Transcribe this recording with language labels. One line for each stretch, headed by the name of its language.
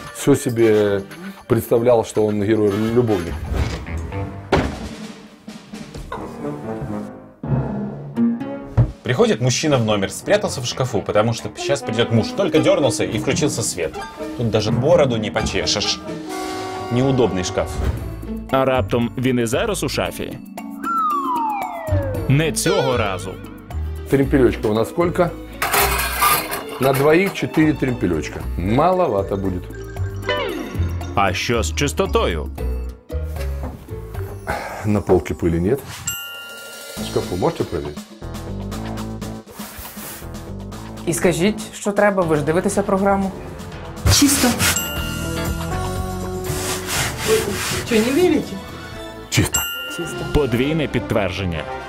Russian: Все себе представлял, что он герой-любовник. Приходит мужчина в номер, спрятался в шкафу, потому что сейчас придет муж. Только дернулся и включился свет. Тут даже бороду не почешешь. Неудобный шкаф.
Ukrainian: А раптом він і зараз у шафі? Не цього разу.
Russian: Тримпельочка у нас сколько? На двоих 4 тримпельочка. Маловато будет.
Ukrainian: А що з чистотою?
Russian: На полки пыли нет. Шкафу можете проверить?
Ukrainian: І скажіть, що треба, ви ж дивитеся програму. Чисто. Ви що, не вірите? Чисто. Чисто. Подвійне підтвердження.